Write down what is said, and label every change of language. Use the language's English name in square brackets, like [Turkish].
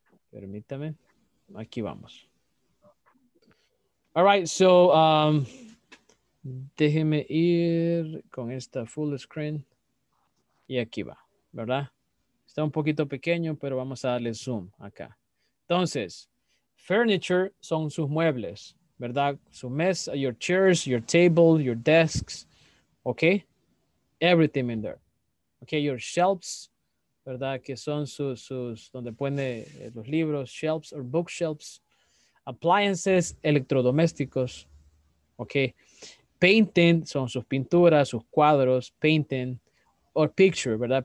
[Spanish] Permítame, aquí vamos. [English] All right, so [Spanish] déjeme ir con esta full screen y aquí va, ¿verdad? Está un poquito pequeño, pero vamos a darle zoom acá. Entonces, furniture son sus muebles, ¿verdad? Su mesa, [English] your chairs, your table, your desks, okay? Everything in there. Okay, your shelves, ¿verdad? [Spanish] Que son sus donde pone los libros, [English] shelves or bookshelves. Appliances, electrodomésticos. Okay. [Spanish] Painting, son sus pinturas, sus cuadros, painting. [English] Or picture, [Spanish] ¿verdad?